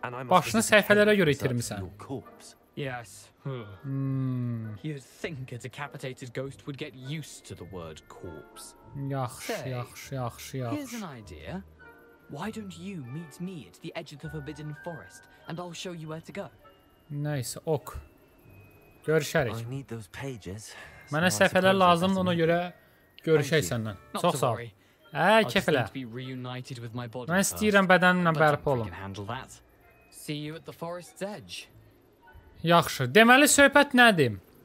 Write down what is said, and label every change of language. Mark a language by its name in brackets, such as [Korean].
[Azerbaijani] Başını səhifələrə görə itirmisən. [English] Yes. You'd think a decapitated ghost would get used to the word corpse. [Azerbaijani] Yaxşı. [English] Here's an idea. Why don't you meet me at the edge of the Forbidden Forest and I'll show you where to go. Nice. Ok. [Azerbaijani] Görüşərik. [English] I need those pages. [Azerbaijani] Mənə səhifələr lazımdır, ona görə görüşək səndən. Çox sağ ol. Ay, kefələ. Mən istəyirəm bədənimlə bərpa olum. [English] See you at the forest's edge. [Azerbaijani] Yaxşı. Deməli söhbət nədir?